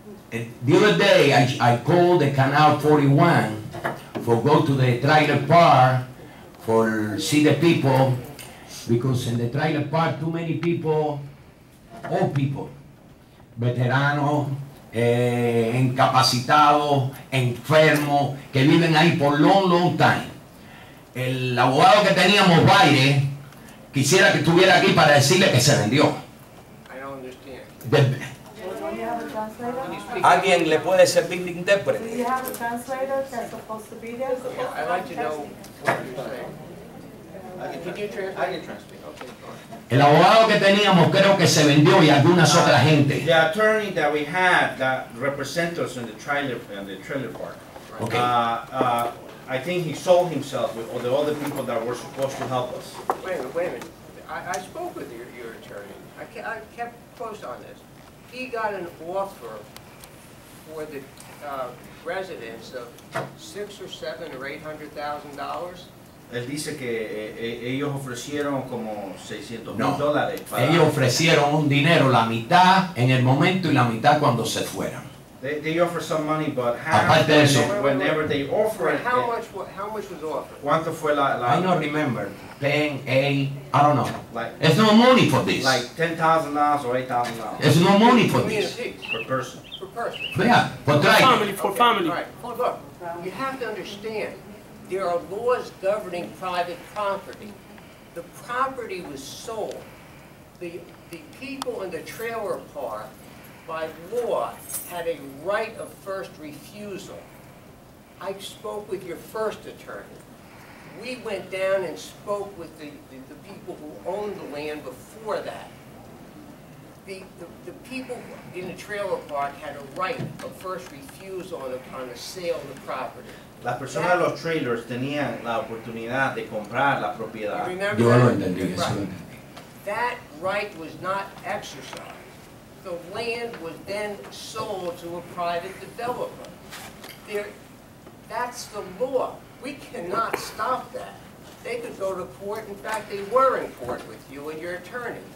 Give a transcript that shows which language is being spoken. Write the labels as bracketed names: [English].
[English] The other day, I called the Canal 41 for go to the trailer park for see the people, because in the trailer park, too many people, old people, [Spanish] veteranos, incapacitados, enfermos, que viven ahí [English] por long time. [Spanish] el abogado que teníamos, Baile, quisiera que estuviera aquí para decirle que se vendió. [English] I don't understand. [Spanish] ¿Alguien le puede servir de intérprete? [English] Do you have a translator that's supposed to be there? Yeah, I'd like to know what you're saying. Can you translate? I can translate. Okay. [Spanish] El abogado que teníamos creo que se vendió y algunas otras gente. [English] The attorney that we had that represents us in the trailer and the trailer park. Right? Okay. I think he sold himself with all the other people that were supposed to help us. Wait a minute. I spoke with your attorney. I kept close on this. He got an offer for the residence of $600,000 or $800,000. [Spanish] Él dice que ellos ofrecieron como $600,000. No, ellos ofrecieron un dinero, la mitad en el momento y la mitad cuando se fueran. [English] They offer some money, but whenever they offer it. How much was offered? [Spanish] ¿Cuánto fue la? [English] I don't remember. 10, 8, I don't know. Like, it's no money for this. Like $10,000 or $8,000. It's no money for this. Per person. Per person. Yeah, for family. For family. Right. Hold up. You have to understand, there are laws governing private property. The property was sold. The people in the trailer park, by law, had a right of first refusal. I spoke with your first attorney. We went down and spoke with the people who owned the land before that. The people in the trailer park had a right of first refusal upon the sale of the property. [Spanish] Las personas de los trailers tenían la oportunidad de comprar la propiedad. Yo lo entendí, eso. [English] That right was not exercised. The land was then sold to a private developer. That's the law. We cannot stop that. They could go to court. In fact, they were in court with you and your attorney.